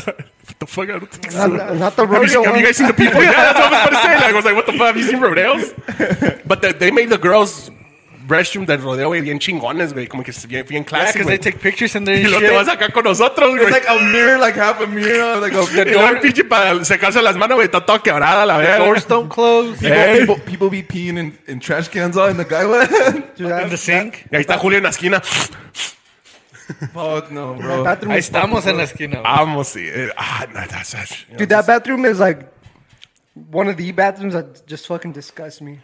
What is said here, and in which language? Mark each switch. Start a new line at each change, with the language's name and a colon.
English: What the fuck? I don't think so. Not the rodeo. Have you guys seen the people? Yeah, that's what I was about to say. Like, I was like, what the fuck? Have you seen rodeos? But they made the girls' restroom
Spanish: del rodeo bien chingones, güey. Como que es bien classic.
English: Yeah, because they take pictures in there
Spanish: y
English: shit.
Spanish: Y te vas acá con nosotros, güey.
English: It's like a mirror, like half a mirror. Like a door.
Spanish: Pinche para secarse las manos, güey. Está toda quebrada, la verdad.
English: Doors don't close. People be peeing in trash cans all in the guy, in the sink.
Spanish: Y ahí está Julio en la esquina.
English: Fuck no, bro.
Spanish: Ahí estamos en la esquina. Vamos, sí. Ah, no,
English: that's that. Dude, that bathroom is like one of the bathrooms that just fucking disgust me.